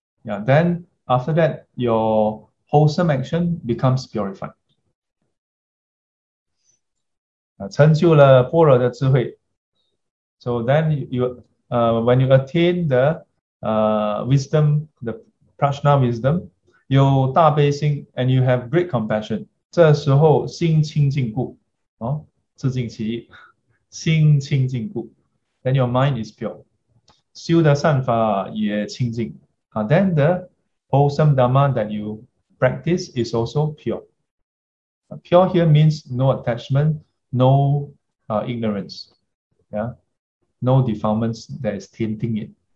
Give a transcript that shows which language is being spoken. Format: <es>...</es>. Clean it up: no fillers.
<en>Yeah, then after that, your wholesome action becomes purified.</en> <zh>成就了般若的智慧.</zh> <en>So then you when you attain the wisdom, the prajna wisdom,</en> <zh>有大悲心,</zh> <en>and you have great compassion.</en> <zh>这时候心清净故, 自净其意, 心清净故,</zh> <en>then your mind is pure.</en> <zh>修的善法也清净,</zh> <en>then the wholesome dhamma that you practice is also pure. Pure here means no attachment, no ignorance, yeah, no defilements that is tainting it.</en>